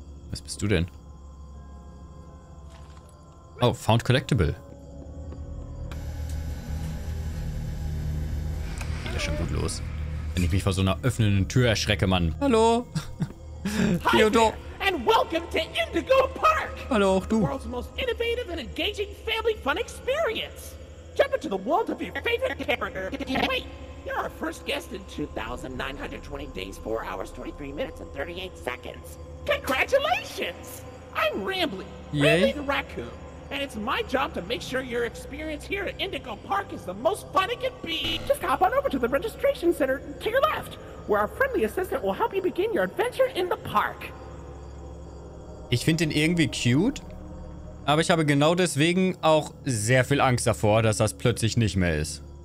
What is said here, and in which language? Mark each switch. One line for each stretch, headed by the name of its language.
German: Was bist du denn?
English: Oh, found collectible.
German: Geht ja schon gut los. Wenn ich mich vor so einer öffnenden Tür erschrecke, Mann. Hallo.
English: Theodor. And welcome to Indigo Park!
German: Hallo, auch du.
English: The world's most innovative and engaging family fun experience. Jump into the world of your favorite character. Wait, you're our first guest in 2920 days, 4 hours, 23 minutes, and 38 seconds. Congratulations! I'm Rambly, Yay. Rambly the Raccoon. And it's my job to make sure your experience here at Indigo Park is the most fun it can be. Just hop on over to the registration center to your left, where our friendly assistant will help you begin your adventure in the park.
German: Ich finde ihn irgendwie cute, aber ich habe genau deswegen auch sehr viel Angst davor, dass das plötzlich nicht mehr ist.